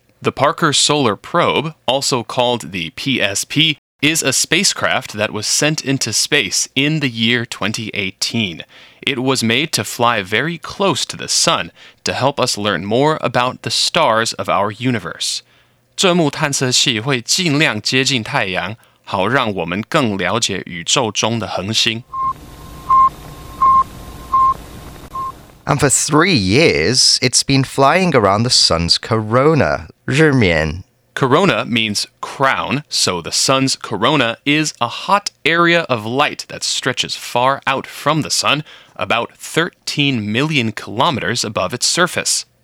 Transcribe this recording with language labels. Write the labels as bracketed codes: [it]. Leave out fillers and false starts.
[en] The Parker Solar Probe, also called the PSP,is a spacecraft that was sent into space in the year 2018. It was made to fly very close to the sun to help us learn more about the stars of our universe. [zh] 这目探测器会尽量接近太阳，好让我们更了解宇宙中的恒星。 [en] And for 3 years, it's been flying around the sun's corona, 日冕。 Corona means crown, so the sun's corona is a hot area of light that stretches far out from the sun, about 13 million kilometers above its surface.